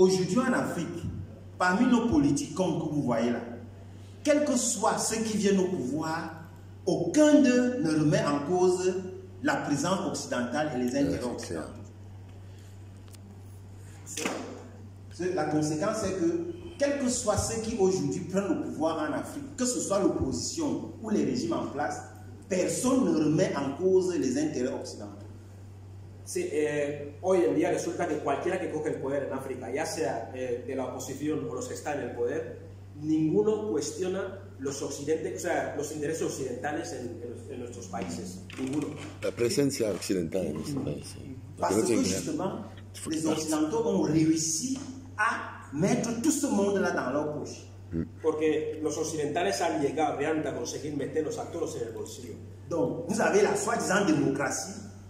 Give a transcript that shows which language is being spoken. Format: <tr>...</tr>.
<fr>aujourd'hui en Afrique, parmi nos politiques comme que vous voyez là, quel que soit ceux qui viennent au pouvoir, aucun d'eux ne remet en cause la présence occidentale et les intérêts occidentaux. La conséquence est que quel que soit ceux qui aujourd'hui prennent le pouvoir en Afrique, que ce soit l'opposition ou les régimes en place, personne ne remet en cause les intérêts occidentaux.</fr> <es>Sí, hoy en día resulta que cualquiera que coge el poder en África, ya sea de la oposición o los que están en el poder, ninguno cuestiona los occidentales, o sea, los intereses occidentales en nuestros países. Ninguno. La presencia occidental en nuestros países.</es> <fr>Parce que justement, les occidentaux ont réussi à mettre tout ce monde-là dans leur poche.</fr> <es>Porque los occidentales han llegado realmente a conseguir meterlos a todos en el bolsillo.</es> <fr>Donc, vous avez la soi-disant démocratie.</fr>